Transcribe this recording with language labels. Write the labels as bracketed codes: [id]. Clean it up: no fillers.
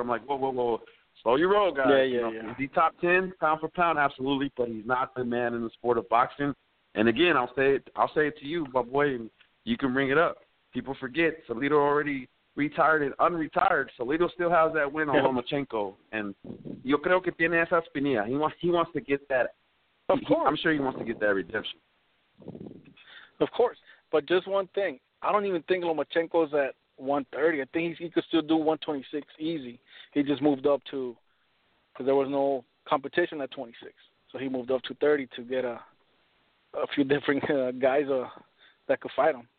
[en] I'm like, whoa. Slow your roll, guys. Yeah. Is he top 10, pound for pound? Absolutely. But he's not the man in the sport of boxing. And, again, I'll say it to you, my boy, and you can bring it up. People forget, Salido already retired and unretired. Salido still has that win on Lomachenko. [es] And yo creo que tiene esa espinilla. [en] He wants to get that. Of course. I'm sure he wants to get that redemption. Of course. But just one thing. I don't even think Lomachenko's at 130. I think he could still do 126 easy. He just moved up to, because there was no competition at 26. So he moved up to 30 to get a few different guys that could fight him.